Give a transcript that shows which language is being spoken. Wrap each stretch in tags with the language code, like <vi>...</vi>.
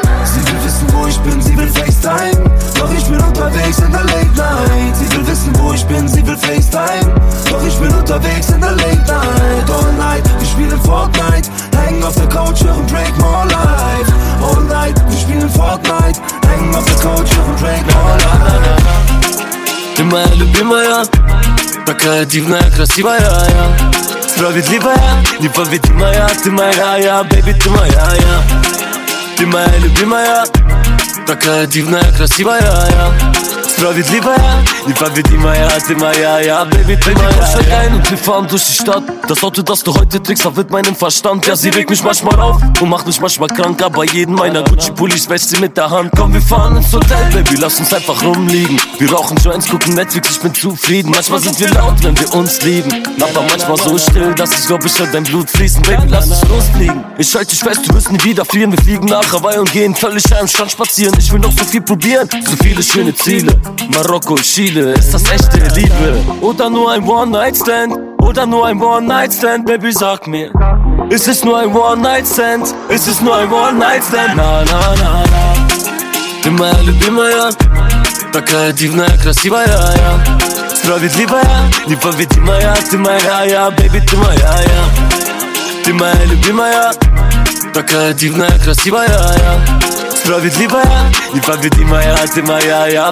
<de>Sie will wissen, wo ich bin, sie will FaceTime. Doch ich bin unterwegs in der Late Night. Sie will wissen, wo ich bin, sie will FaceTime. Doch ich bin unterwegs in der Late Night.</de> <en>All night,</en> <de>wir spielen Fortnite. Hängen auf der Couch, hören Drake More Life.</de> <en>All night,</en> <de>wir spielen Fortnite. Hängen auf der Couch, hören Drake More Life.</de> <ru>Ты моя любимая, такая дивная, красивая, я. Справедливая, непобедимая, ты моя, я, baby, ты моя, я. Ты моя любимая, такая дивная, красивая, я. Справедливая, непобедимая, ты моя, я, baby, ты моя.</ru> <en>Baby,</en> <ru>просто</ru> <de>rein und wir fahren durch die Stadt. Das Auto, das du heute trägst, verwirrt meinen Verstand. Ja, sie regt mich manchmal auf und macht mich manchmal krank. Aber jeden meiner Gucci-Pullis wäscht sie mit der Hand. Komm, wir fahren ins Hotel, baby, lass uns einfach rumliegen. Wir rauchen Joints, gucken Netflix, ich bin zufrieden. Manchmal sind wir laut, wenn wir uns lieben. Aber manchmal so still, dass ich glaub, ich hör dein Blut fließen. Baby, lass uns losfliegen. Ich halte dich fest, du wirst nie wieder frieren. Wir fliegen nach Hawaii und gehen völlig am Strand spazieren. Ich will noch so viel probieren, so viele schöne Ziele. Marokko, Chile, ist das echte Liebe? Oder nur ein One-Night-Stand? Oder nur ein One-Night-Stand? Baby, sag mir, ist es nur ein One-Night-Stand? Ist es nur ein One-Night-Stand? Na, na, na, na.</de> <ru>Ты моя любимая, такая дивная, красивая, я. Справедливая, непобедимая, ты моя, я. Baby, ты моя, я. Ты моя любимая, такая дивная, красивая я. Справедливая и победимая, ты моя я.</ru>